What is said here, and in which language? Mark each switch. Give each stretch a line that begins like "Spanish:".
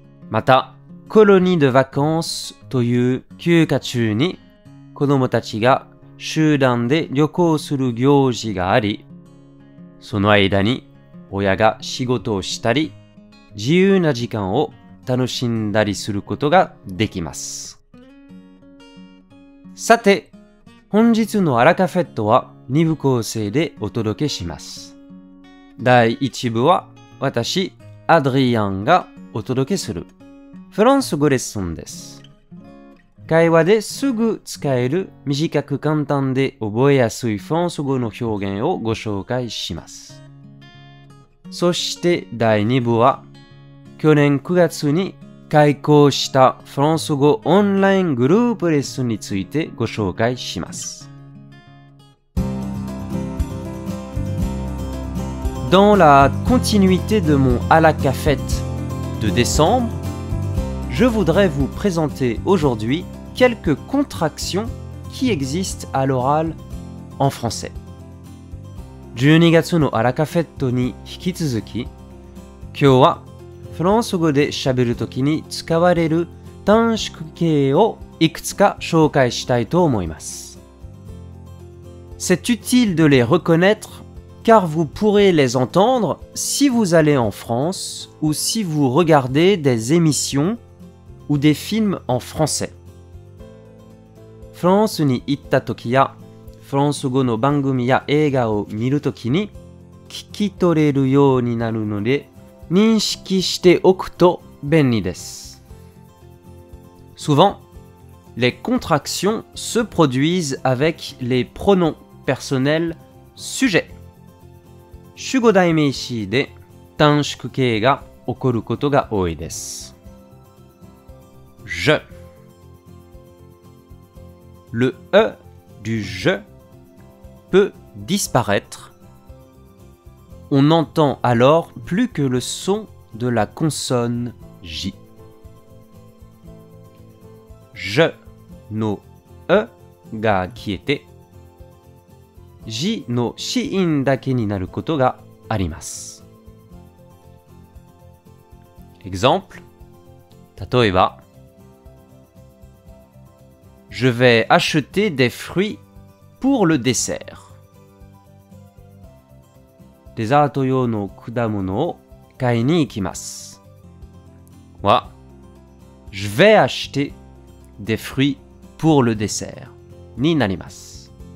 Japanese: Mata, colonie de vacances toyu kyūka chū ni kodomo tachi ga shūdan de ryōkō suru gyōji ga ari sono aida ni oya ga shigoto o shitari 自由な時間を楽しんだりすることができます。さて、本日のアラカフェットは2部構成でお届けします。第1部は私、アドリアンがお届けするフランス語レッスンです。会話ですぐ使える短く簡単で覚えやすいフランス語の表現をご紹介します。そして第2部は去年9月に開講したフランス語オンライングループレッスンについてご紹介します。
French: Dans la continuité de mon à la cafette de décembre, je voudrais vous présenter aujourd'hui quelques contractions qui existent à l'oral en français.
Japanese: 12月のあらカフェットに引き続き、今日はフランス語で喋るときに使われる短縮形をいくつか紹介したいと思います。
French: C'est utile de les reconnaître car vous pourrez les entendre si vous allez en France ou si vous regardez des émissions ou des films en français.
Japanese: フランスに行ったときや、フランス語の番組や映画を見るときに聞き取れるようになるので、認識しておくと便利です。
French: Souvent, les contractions se produisent avec les pronoms personnels sujet.
Japanese: 主語代名詞で短縮形が起こることが多いです。
French: Je. Le E du je peut disparaître. On n'entend alors plus que le son de la consonne J.
Japanese: Je no E が消えて、 J の子音だけになることがあります。
French: Exemple.
Japanese: 例えば、
French: Je vais acheter des fruits pour le dessert. デザート用の果物を買いに行きます。は、Je vais acheter des fruits pour le dessert
Japanese: になります。